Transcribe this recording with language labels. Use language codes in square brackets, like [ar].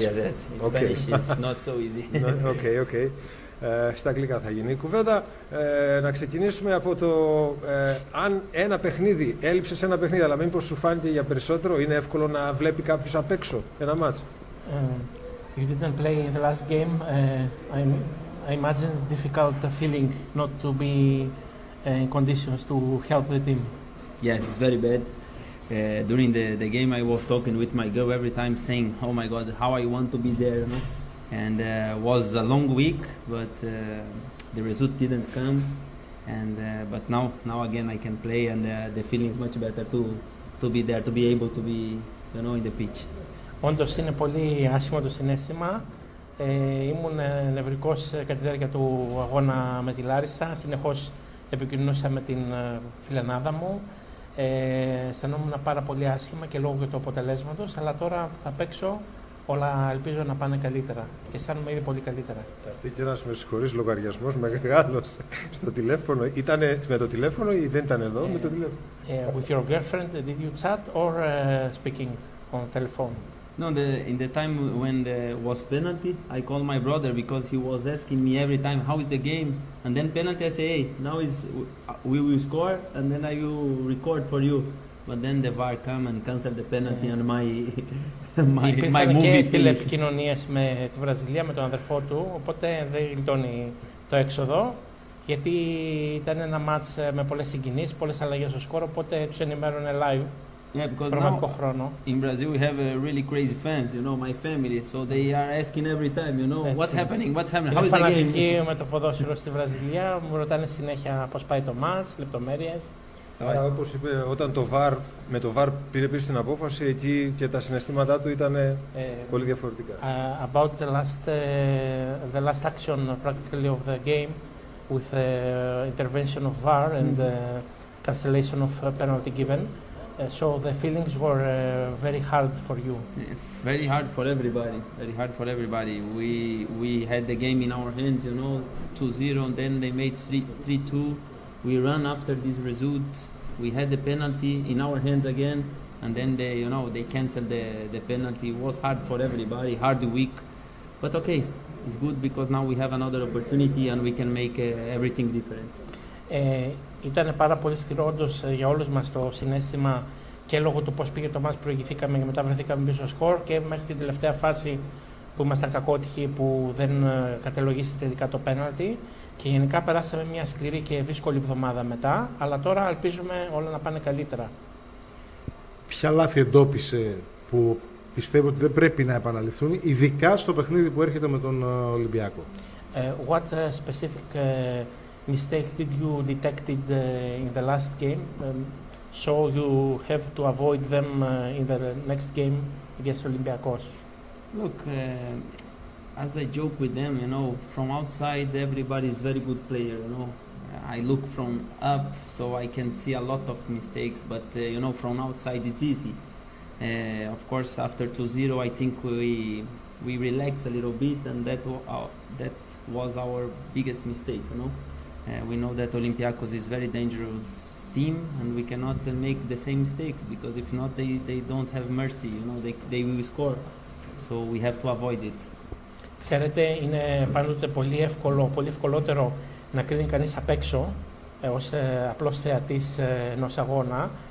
[en] Yes, yes. Okay. Spanish is not so easy. Okay. [el] Στα αγγλικά θα γίνει η κουβέντα. Να ξεκινήσουμε από το αν ένα παιχνίδι, έλειψες ένα παιχνίδι, αλλά μήπως σου φάνηκε για περισσότερο, είναι εύκολο να βλέπει κάποιος απ' έξω ένα μάτς? [en] You didn't play the last game. I imagine it's difficult feeling not to be in conditions to help the team. Yes, it's very bad. During the game, I was talking with my girl every time, saying, "Oh my God, how I want to be there." No? And was a long week, but the result didn't come. And but now again, I can play, and the feeling is much better to be there, to be able to be, you know, in the pitch. [el] Όντως είναι πολύ άσχημο το συνέστημα. Ήμουν νευρικός κατά τη διάρκεια του αγώνα με τη Λάρισα. Συνεχώς επικοινωνούσα με την φιλενάδα μου. Αισθανόμουν πάρα πολύ άσχημα και λόγω και του αποτελέσματος. Αλλά τώρα που θα παίξω, όλα ελπίζω να πάνε καλύτερα. Και αισθάνομαι ήδη πολύ καλύτερα. Καθίστε και ένας με συγχωρείς λογαριασμός μεγάλος στο τηλέφωνο. Ήταν με το τηλέφωνο ή δεν ήταν εδώ με το τηλέφωνο? [en] With your girlfriend, did you chat or speaking on telephone? No, in the time when there was penalty, I called my brother because he was asking me every time, how is the game? And then penalty, I say, hey, now is we will score and then I will record for you. But then the VAR come and cancel the penalty and my movie finished. [el] Υπήρχαν και τηλεπικοινωνίες με τη Βραζιλία, με τον αδερφό του, οπότε δεν γλιτώνει το έξοδο, γιατί ήταν ένα μάτς με πολλές συγκινήσεις, πολλές αλλαγές στο σκορ, οπότε τους ενημέρωνε live. [en] Yeah, because now in Brazil we have really crazy fans, you know, my family, so they are asking every time, you know, what's happening, how is the game? [el] Είναι φανατική με το ποδόσφαιρο στη Βραζιλία, μου ρωτάνε συνέχεια πώς πάει το μάτς, λεπτομέρειες. Άρα, όπως είπε, όταν με το VAR πήρε πίσω την απόφαση, εκεί και τα συναισθήματά του ήταν πολύ διαφορετικά. [en] About the last action practically of the game with the intervention of VAR and the cancellation of penalty given. So the feelings were very hard for you. Yeah, very hard for everybody. Very hard for everybody. We had the game in our hands, you know, 2-0, and then they made 3-2. We ran after this result. We had the penalty in our hands again, and then they canceled the penalty. It was hard for everybody. Hard week, but okay, it's good because now we have another opportunity and we can make everything different. [el] Ήταν πάρα πολύ σκληρό όντως για όλους μας το συνέστημα και λόγω του πώς πήγε το μάτς, προηγηθήκαμε και μετά βρεθήκαμε πίσω στο σκορ και μέχρι την τελευταία φάση που ήμασταν κακότυχοι που δεν κατελογίστηκε τελικά το πέναλτι και γενικά περάσαμε μια σκληρή και δύσκολη εβδομάδα μετά, αλλά τώρα ελπίζουμε όλα να πάνε καλύτερα. Ποια λάθη εντόπισε που πιστεύω ότι δεν πρέπει να επαναληφθούν, ειδικά στο παιχνίδι που έρχεται με τον Ολυμπιακό? [en] What specific mistakes did you detected in the last game, so you have to avoid them in the next game against Olympiacos? Look, as I joke with them, you know, from outside everybody is very good player, you know. I look from up, so I can see a lot of mistakes, but you know, from outside it's easy. Of course, after 2-0, I think we relax a little bit, and that was our biggest mistake, you know. We know that Olympiacos is a very dangerous team and we cannot make the same mistakes because if not they don't have mercy, you know, they will score. So we have to avoid it. [el] Ξέρετε, είναι πάντοτε πολύ εύκολο, πολύ ευκολότερο να κρίνει κανείς απ' έξω ως απλός θεατής ενός αγώνα.